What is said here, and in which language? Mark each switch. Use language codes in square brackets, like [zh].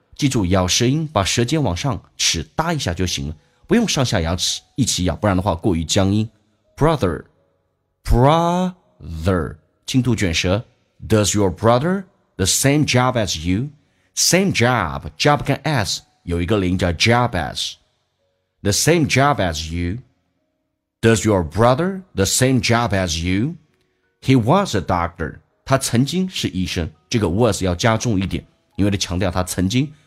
[zh] 记住咬舌音，把舌尖往上齿搭一下就行了，不用上下牙齿一起咬，不然的话过于僵硬。 [en] Brother, [zh] brother, 轻度卷舌。 [en] Does your brother the same job as you? Same job, job 跟 s [zh] 有一个连音叫 [en] job as. The same job as you. Does your brother the same job as you? He was a doctor. [zh] 他曾经是医生，这个 was 要加重一点，因为他强调他曾经。